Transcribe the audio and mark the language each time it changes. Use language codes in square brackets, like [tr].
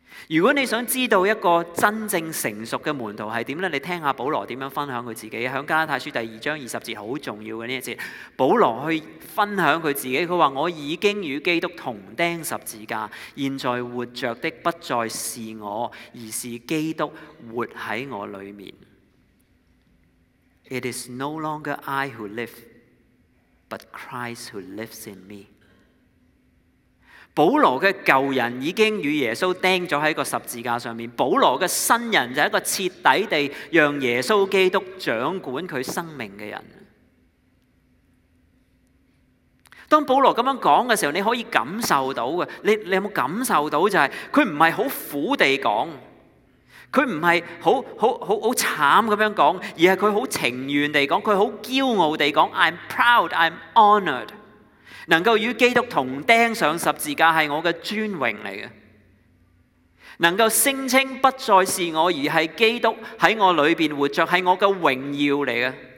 [zh] 如果你想知道一个真正成熟的门徒是怎样，你听一下保罗怎样分享他自己。在加拉太书第二章二十节，很重要的这一节，保罗去分享他自己，他说：我已经与基督同钉十字架，现在活着的不再是我，而是基督活在我里面。 [en] It is no longer I who live, but Christ who lives in me。 [zh] 保罗的旧人已经与耶稣钉在十字架上，保罗的新人就是一个彻底地让耶稣基督掌管他生命的人。当保罗这样讲的时候，你可以感受到的， 你有没有感受到，就是他不是很苦地讲，他不是很惨地讲，而是他很情愿地讲，他很骄傲地讲， [en] I'm proud, I'm honored， [zh] 能够与基督同钉上十字架是我的尊荣来的，能够声称不再是我而是基督在我里面活着是我的荣耀来的。